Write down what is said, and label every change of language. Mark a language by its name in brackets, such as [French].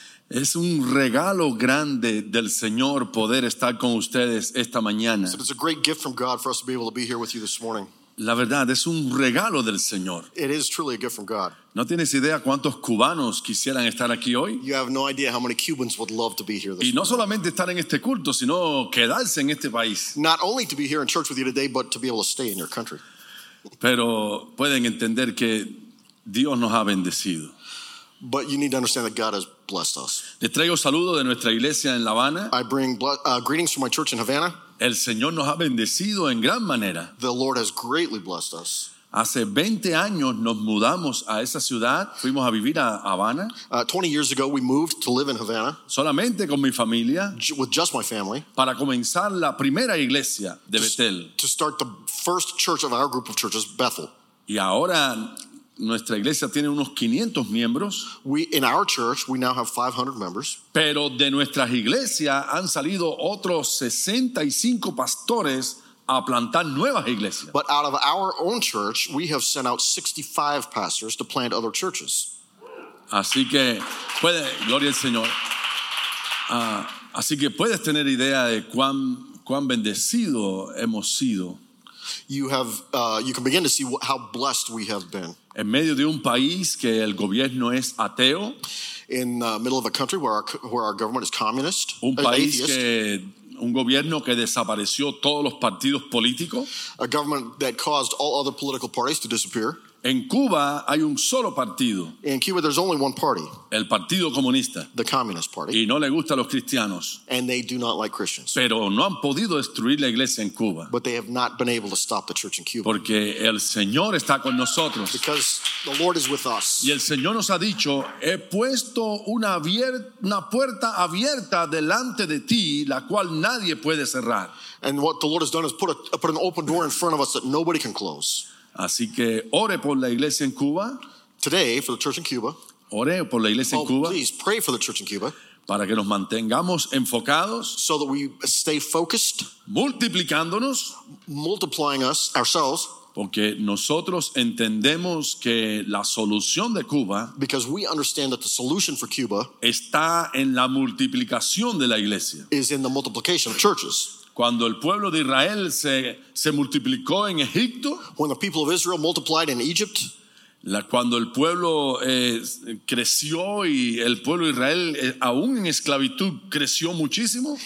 [Spanish] Es un regalo grande del Señor poder estar con ustedes esta mañana. [English] So it's a great gift from God for us to be able to be here with you this morning. [Spanish] La verdad, es un regalo del Señor. [English] It is truly a gift from God. [Spanish] ¿No tienes idea cuántos cubanos quisieran estar aquí hoy? [English] You have no idea how many Cubans would love to be here this morning. [Spanish] Y no solamente estar en este culto, sino quedarse en este país. [English] Not only to be here in church with you today, but to be able to stay in your country. [Spanish] Pero pueden entender que Dios nos ha bendecido. [English] But you need to understand that God has blessed us. [Spanish] Les traigo saludos de nuestra iglesia en La Habana. [English] I bring greetings from my church in Havana. [Spanish] El Señor nos ha bendecido en gran manera. [English] The Lord has greatly blessed us. [Spanish] Hace 20 años nos mudamos a esa ciudad. Fuimos a vivir a Havana. [English] 20 years ago we moved to live in Havana. [Spanish] Solamente con mi familia. [English] With just my family. [Spanish] Para comenzar la primera iglesia de Bethel. [English] To start the first church of our group of churches, Bethel. [Spanish] Y ahora nuestra iglesia tiene unos 500 miembros. [English] In our church, we now have 500 members. [Spanish] Pero de nuestras iglesias han salido otros 65 pastores a plantar nuevas iglesias. [English] But out of our own church, we have sent out 65 pastors to plant other churches. [Spanish] Así que puede, gloria al Señor. Así que puedes tener idea de cuán bendecido hemos sido. [English] You can begin to see how blessed we have been. [Spanish] En medio de un país que el gobierno es ateo. [English] In the middle of a country where our government is communist. [Spanish] Un país un gobierno que desapareció todos los partidos políticos. [English] A government that caused all other political parties to disappear. [Spanish] En Cuba hay un solo partido. [English] In Cuba there's only one party. [Spanish] El Partido Comunista. [English] The Communist Party. [Spanish] Y no le gusta a los cristianos. [English] And they do not like Christians. [Spanish] Pero no han podido destruir la iglesia en Cuba. [English] But they have not been able to stop the church in Cuba. [Spanish] Porque el Señor está con nosotros. [English] Because the Lord is with us. [Spanish] Y el Señor nos ha dicho, he puesto una puerta abierta delante de ti, la cual nadie puede cerrar. [English] And what the Lord has done is put an open door in front of us that nobody can close. [Spanish] Así que ore por la iglesia en Cuba. [English] Today, for the church in Cuba. [Spanish] Ore por la iglesia en Cuba. [English] Please pray for the church in Cuba. [Spanish] Para que nos mantengamos enfocados. [English] So that we stay focused. [Spanish] Multiplicándonos. [English] Multiplying us, ourselves. [Spanish] Porque nosotros entendemos que la solución de Cuba. [English] Because we understand that the solution for Cuba. [Spanish] Está en la multiplicación de la iglesia. [English] Is in the multiplication of churches. [Spanish] Cuando el pueblo de Israel se multiplicó en Egipto, [English] when the people of Israel multiplied in Egypt, [Spanish] cuando el pueblo creció y el pueblo de Israel aún en esclavitud creció muchísimo,